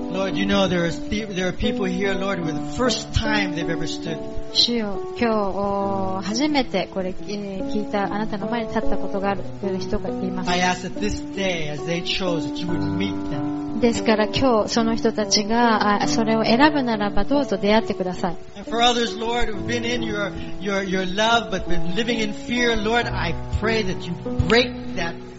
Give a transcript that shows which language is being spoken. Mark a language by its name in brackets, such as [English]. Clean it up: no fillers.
[English] You know, there are people here, Lord, with the first time they've ever stood. [Japanese] 主よ、今日初めてこれ聞いたあなたの前に立ったことがある人がいます。 [English] I ask that this day, as they chose, that you would meet them. [Japanese] ですから今日その人たちがそれを選ぶならば、どうぞ出会ってください。 [English] And for others, Lord, who've been in your love but been living in fear, Lord, I pray that you break that.